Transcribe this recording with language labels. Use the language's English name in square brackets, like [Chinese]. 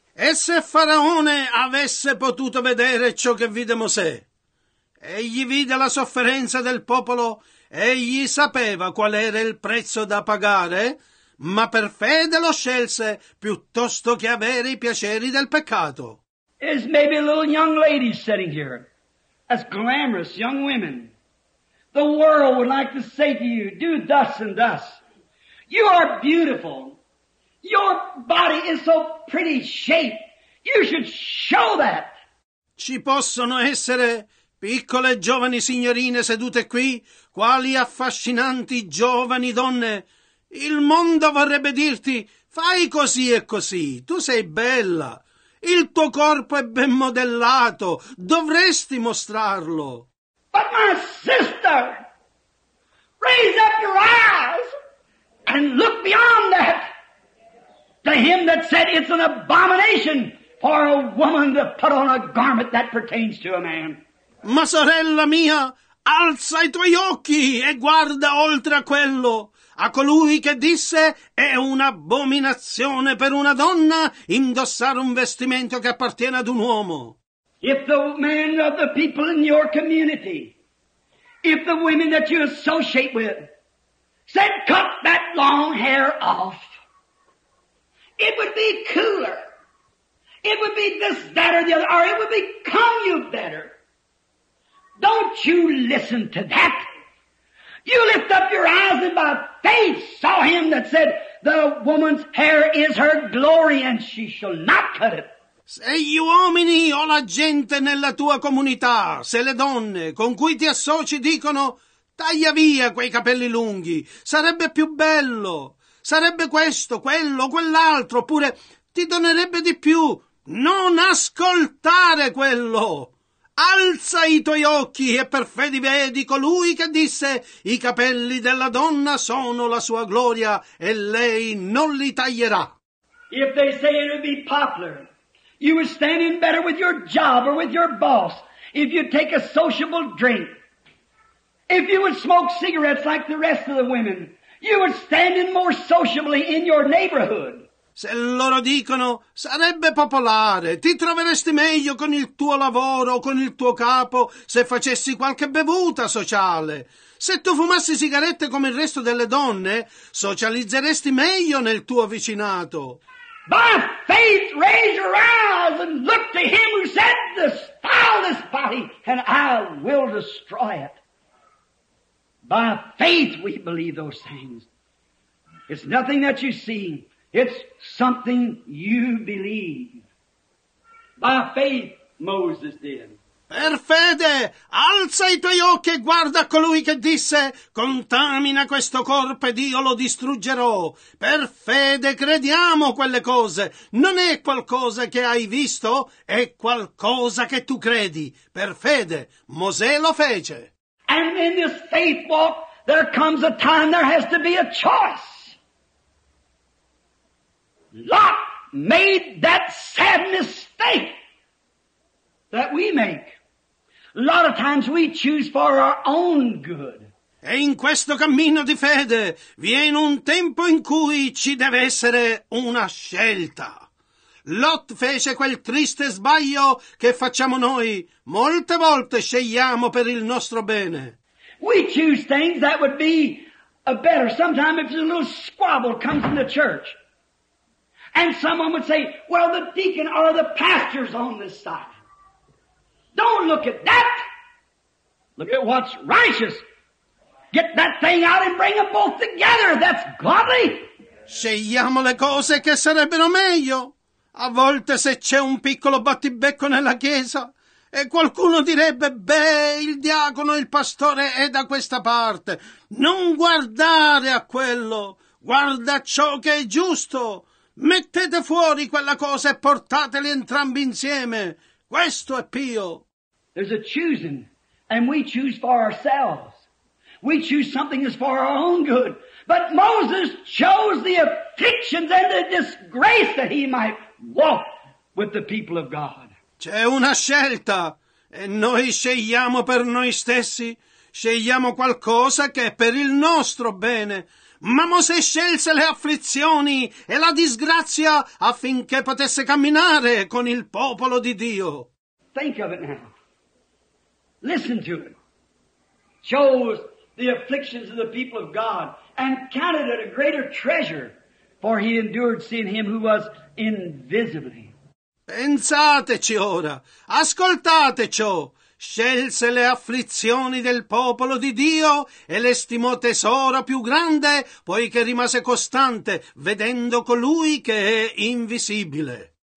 [Italian] E se Faraone avesse potuto vedere ciò che vide Mosè? Egli vide la sofferenza del popolo, egli sapeva qual era il prezzo da pagare, ma per fede lo scelse piuttosto che avere i piaceri del peccato. [English] There's maybe a little young lady sitting here, as glamorous young women. The world would like to say to you, do thus and thus. You are beautiful. Your body is so pretty shaped. You should show that. [Italian] Ci possono essere piccole giovani signorine sedute qui? Quali affascinanti giovani donne! Il mondo vorrebbe dirti, fai così e così, tu sei bella. Il tuo corpo è ben modellato, dovresti mostrarlo. [English] But my sister, raise up your eyes and look beyond that. To him that said it's an abomination for a woman to put on a garment that pertains to a man. [Italian] Ma sorella mia, alza i tuoi occhi e guarda oltre a quello, a colui che disse è un'abominazione per una donna indossare un vestimento che appartiene ad un uomo. [English] If the men of the people in your community, if the women that you associate with, said cut that long hair off, it would be cooler. It would be this, that, or the other, or it would become you better. Don't you listen to that. You lift up your eyes and by faith saw him that said, the woman's hair is her glory and she shall not cut it. [Italian] Se gli uomini o la gente nella tua comunità, se le donne con cui ti associ dicono, taglia via quei capelli lunghi, sarebbe più bello, sarebbe questo, quello, quell'altro, oppure ti donerebbe di più, non ascoltare quello. Alza i tuoi occhi e per fede vedi colui che disse i capelli della donna sono la sua gloria e lei non li taglierà. [English] If they say it would be popular, you would stand in better with your job or with your boss if you take a sociable drink. If you would smoke cigarettes like the rest of the women, you would stand in more sociably in your neighborhood. [Italian] Se loro dicono, sarebbe popolare, ti troveresti meglio con il tuo lavoro o con il tuo capo se facessi qualche bevuta sociale. Se tu fumassi sigarette come il resto delle donne, socializzeresti meglio nel tuo vicinato. [English] By faith, raise your eyes and look to him who said, "Destroy this body and I will destroy it." By faith, we believe those things. It's nothing that you see. It's something you believe. By faith, Moses did. [Italian] Per fede, alza i tuoi occhi e guarda colui che disse, contamina questo corpo ed io lo distruggerò. Per fede, crediamo quelle cose. Non è qualcosa che hai visto, è qualcosa che tu credi. Per fede, Mosè lo fece. [English] And in this faith walk, there comes a time there has to be a choice. Lot made that sad mistake that we make. A lot of times we choose for our own good. [Italian] E in questo cammino di fede viene un tempo in cui ci deve essere una scelta. Lot fece quel triste sbaglio che facciamo noi. Molte volte scegliamo per il nostro bene. [English] We choose things that would be a better. Sometimes if a little squabble comes in the church, and someone would say, well, the deacon or the pastor's on this side. Don't look at that. Look at what's righteous. Get that thing out and bring them both together. That's godly. [Italian] Scegliamo le cose che sarebbero meglio. A volte se c'è un piccolo battibecco nella chiesa e qualcuno direbbe, beh, il diacono, il pastore è da questa parte. Non guardare a quello. Guarda ciò che è giusto. Mettete fuori quella cosa e portateli entrambi insieme. Questo è pio. [English] There's a choosing, and we choose for ourselves. We choose something that's for our own good. But Moses chose the afflictions and the disgrace that he might walk with the people of God. [Italian] C'è una scelta, e noi scegliamo per noi stessi. Scegliamo qualcosa che è per il nostro bene. Ma Mosè scelse le afflizioni e la disgrazia affinché potesse camminare con il popolo di Dio. [English] Think of it now. Listen to it. Chose the afflictions of the people of God and counted it a greater treasure, for he endured seeing him who was invisibly. [Italian] Pensateci ora. Ascoltate ciò. scelse le afflizioni del popolo di Dio e le stimò tesoro più grande, poiché rimase costante, vedendo colui che è invisibile.